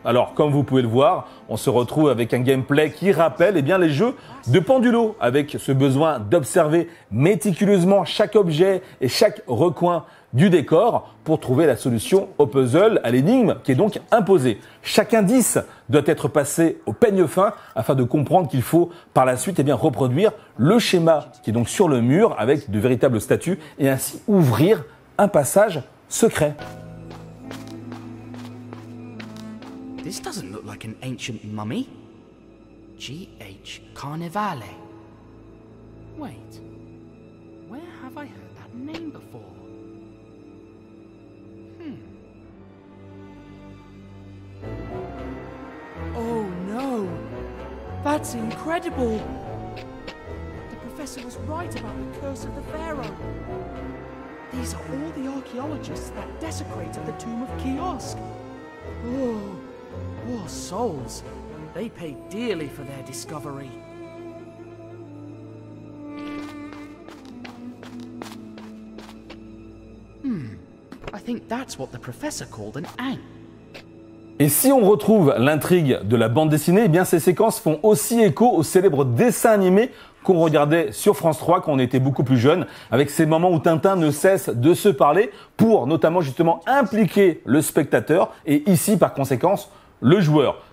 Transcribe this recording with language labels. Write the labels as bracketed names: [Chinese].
[French] Alors comme vous pouvez le voir, on se retrouve avec un gameplay qui rappelle eh bien, les jeux de Panduo avec ce besoin d'observer méticuleusement chaque objet et chaque recoin du décor pour trouver la solution au puzzle, à l'énigme qui est donc imposée. Chaque indice doit être passé au peigne fin afin de comprendre qu'il faut par la suite eh bien, reproduire le schéma qui est donc sur le mur avec de véritables statues et ainsi ouvrir un passage secret. [English] This doesn't look like an ancient mummy. G.H. Carnevale. Wait, where have I heard that name before? Oh no, that's incredible. The professor was right about the curse of the pharaoh. These are all the archaeologists that desecrated the tomb of Kiosk. Oh, poor souls. They paid dearly for their discovery. I think that's what the professor called an ankh. [French] Et si on retrouve l'intrigue de la bande dessinée, eh bien ces séquences font aussi écho au célèbre dessin animé qu'on regardait sur France 3 quand on était beaucoup plus jeune, avec ces moments où Tintin ne cesse de se parler pour notamment justement impliquer le spectateur et ici par conséquence le joueur.